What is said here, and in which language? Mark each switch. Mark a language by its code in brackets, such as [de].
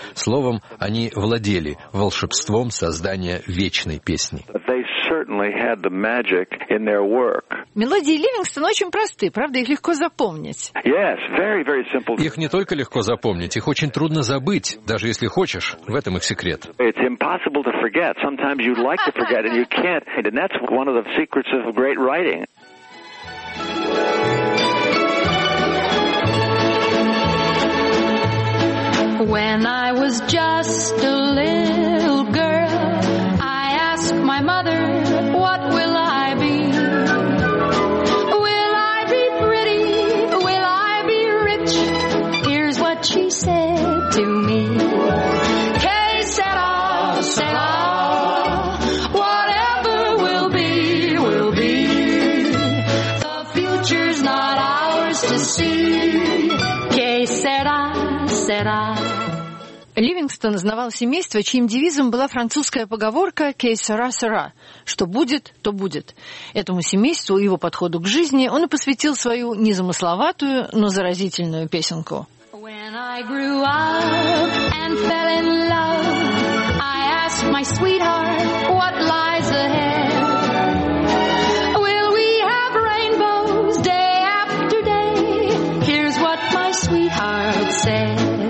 [ru] Словом, они владели волшебством создания вечной песни. Мелодии Ливингстона очень просты, правда, их легко запомнить. [en] Yes, very, very simple. [ru] Их не только легко запомнить, их очень трудно забыть, даже если хочешь. В этом их секрет. [en] It's impossible to forget. Sometimes you'd like to forget, and you can't. And that's one of the secrets of great writing. When I was just a little girl, I asked my mother, what will I be? Will I be pretty? Will I be rich? Here's what she said to me. [es] Que sera, sera. [en] Whatever will be. The future's not ours to see. [es] Que sera, sera. [ru] Ливингстон знавал семейство, чьим девизом была французская поговорка [es] «Que sera, sera» [ru] – «Что будет, то будет». Этому семейству и его подходу к жизни он и посвятил свою незамысловатую, но заразительную песенку. [en] When I grew up and fell in love, I asked my sweetheart, what lies ahead? Will we have rainbows day after day? Here's what my sweetheart said.